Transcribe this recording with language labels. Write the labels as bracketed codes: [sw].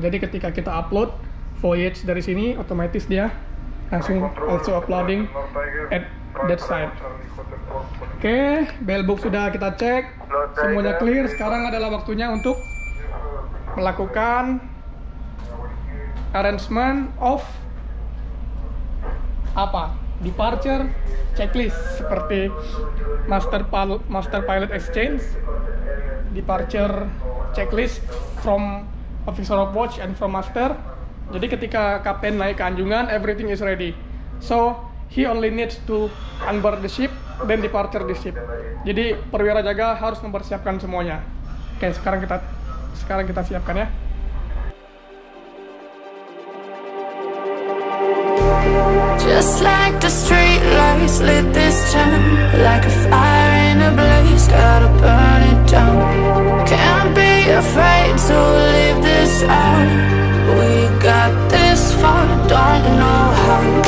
[id] Jadi ketika kita upload voyage dari sini, otomatis dia langsung [en] also uploading at that side. [id] Oke, bellbook sudah kita cek, semuanya clear. Sekarang adalah waktunya untuk melakukan arrangement of apa? [en] Departure checklist seperti master pilot exchange, departure checklist from officer of watch and from master. [id] Jadi ketika kapten naik ke anjungan, [en] everything is ready. So, he only needs to unboard the ship, then departure the ship. [id] Jadi, perwira jaga harus mempersiapkan semuanya. Oke, sekarang kita siapkan ya. [en] Just like the street lights lit this town, like a fire in a blaze, gotta burn it down. Can't be afraid to leave this out. We got this far, don't know how.